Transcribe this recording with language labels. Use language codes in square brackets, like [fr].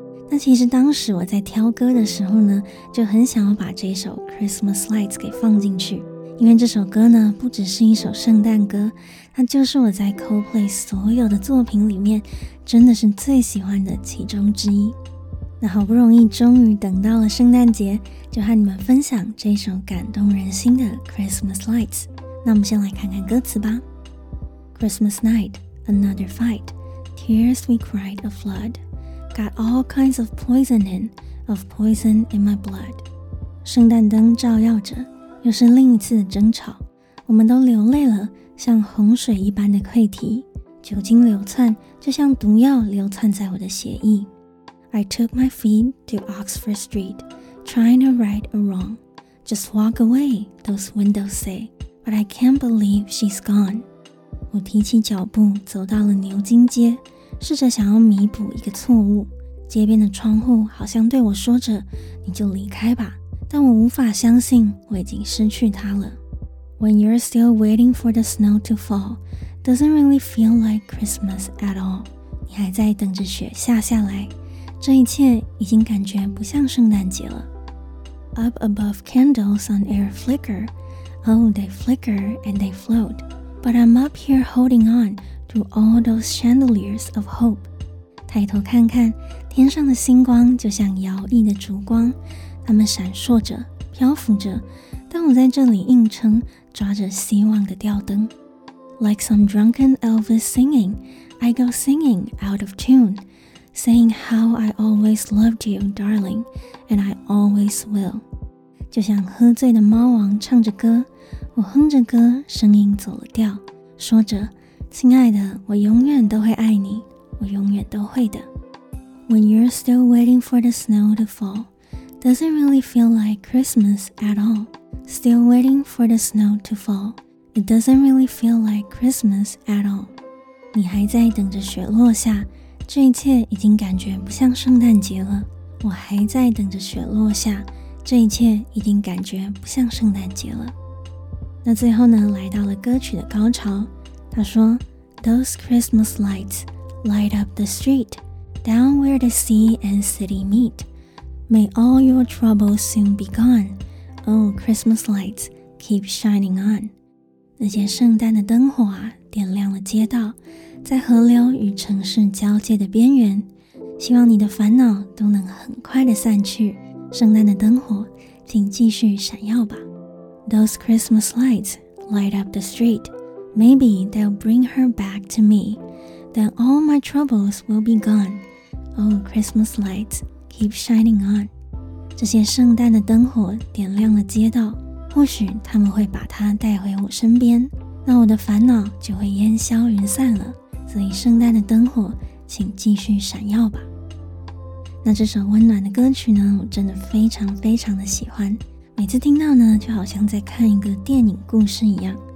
[zh] 那其实当时我在挑歌的时候呢，就很想要把这首 Christmas Lights 给放进去，因为这首歌呢，不只是一首圣诞歌，它就是我在 Coldplay 所有的作品里面真的是最喜欢的其中之一。那好不容易终于等到了圣诞节，就和你们分享这首感动人心的 Christmas Lights。那我们先来看看歌词吧。 [en] Christmas night, another fight. Tears we cried a flood. Got all kinds of poison in, of poison in my blood. [zh] 圣诞灯照耀着，又是另一次的争吵，我们都流泪了，像洪水一般的溃堤，酒精流窜，就像毒药流窜在我的血液。 [en] I took my feet to Oxford Street, trying to right a wrong. Just walk away, those windows say, but I can't believe she's gone. [zh] 我提起脚步走到了牛津街，试着想要弥补一个错误。街边的窗户好像对我说着，你就离开吧，但我无法相信我已经失去她了。 [en] When you're still waiting for the snow to fall, doesn't really feel like Christmas at all. [zh] 你还在等着雪下下来，这一切已经感觉不像圣诞节了。 [en] Up above candles on air flicker, oh they flicker and they float, but I'm up here holding on to all those chandeliers of hope. [zh] 抬头看看，天上的星光就像摇曳的烛光，它们闪烁着，漂浮着，但我在这里硬撑，抓着希望的吊灯。 [en] Like some drunken Elvis singing, I go singing out of tune. Saying how I always loved you, darling, and I always will. [zh] 就像喝醉的猫王唱着歌，我哼着歌，声音走了调，说着，亲爱的，我永远都会爱你，我永远都会的。 [en] When you're still waiting for the snow to fall, doesn't really feel like Christmas at all. Still waiting for the snow to fall, it doesn't really feel like Christmas at all. [zh] 你还在等着雪落下，这一切已经感觉不像圣诞节了。我还在等着雪落下，这一切已经感觉不像圣诞节了。那最后呢，来到了歌曲的高潮。他说 [en] Those Christmas lights light up the street down where the sea and city meet. May all your troubles soon be gone. Oh, Christmas lights keep shining on. [zh] 那些圣诞的灯火啊，点亮了街道，在河流与城市交界的边缘，希望你的烦恼都能很快的散去。圣诞的灯火，请继续闪耀吧。 [en] Those Christmas lights light up the street. Maybe they'll bring her back to me. Then all my troubles will be gone. Oh, Christmas lights keep shining on. [zh] 这些圣诞的灯火点亮了街道，或许他们会把她带回我身边，那我的烦恼就会烟消云散了。所以圣诞的灯火请继续闪耀吧。那这首温暖的歌曲呢，我真的非常非常的喜欢，每次听到呢就好像在看一个电影故事一样。